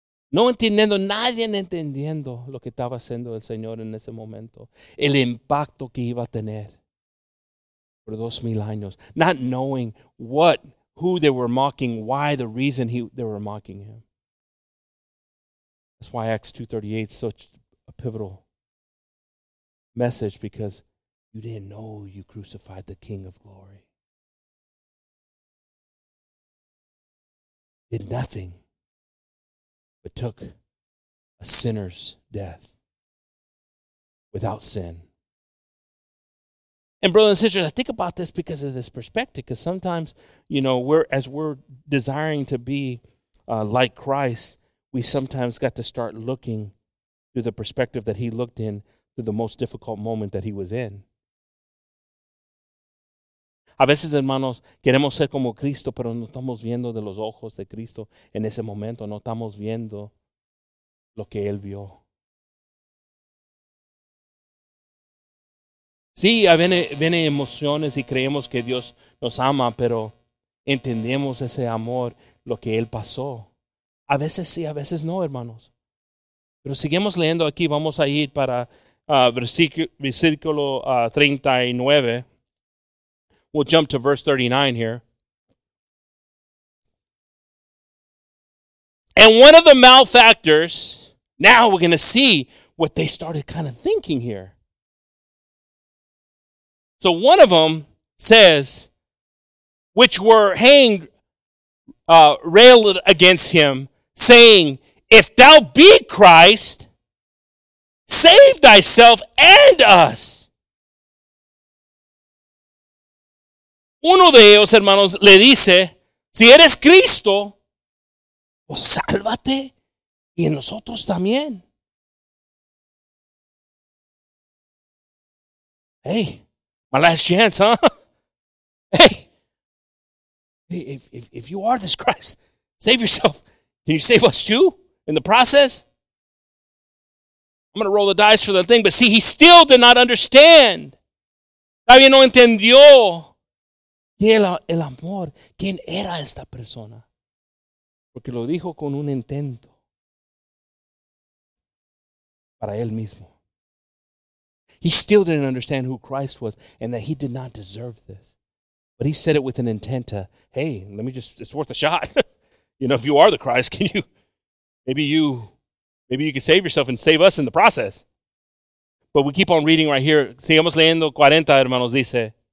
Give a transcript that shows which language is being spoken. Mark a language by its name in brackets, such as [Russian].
[Spanish] No entendiendo, nadie entendiendo lo que estaba haciendo el Señor en ese momento. El impacto que iba a tener por 2,000 años. [English] Not knowing what, who they were mocking, why, the reason they were mocking him. That's why Acts 2:38 is such a pivotal message, because you didn't know you crucified the King of Glory. Did nothing. But took a sinner's death without sin. And brothers and sisters, I think about this because of this perspective, because sometimes, you know, we're desiring to be like Christ, we sometimes got to start looking through the perspective that he looked in through the most difficult moment that he was in. [Spanish] A veces, hermanos, queremos ser como Cristo, pero no estamos viendo de los ojos de Cristo en ese momento. No estamos viendo lo que él vio. Sí, viene emociones y creemos que Dios nos ama, pero entendemos ese amor, lo que él pasó. A veces sí, a veces no, hermanos. Pero seguimos leyendo aquí, vamos a ir para versículo 39. [English] We'll jump to verse 39 here. And one of the malefactors, now we're going to see what they started kind of thinking here. So one of them says, which were hanged, railed against him, saying, if thou be Christ, save thyself and us. [Spanish] Uno de ellos, hermanos, le dice, si eres Cristo, pues sálvate y en nosotros también. [English] Hey, my last chance, huh? Hey, if you are this Christ, save yourself. Can you save us too in the process? I'm going to roll the dice for the thing, but see, he still did not understand. [Spanish] Todavía no entendió. ¿Qué era el amor? ¿Quién era esta persona? Porque lo dijo con un intento para él mismo. [English] He still didn't understand who Christ was and that he did not deserve this. But he said it with an intent to, hey, let me just, it's worth a shot. You know, if you are the Christ, can you, maybe you can save yourself and save us in the process. But we keep on reading right here. [Spanish] Sigamos leyendo 40, hermanos, dice.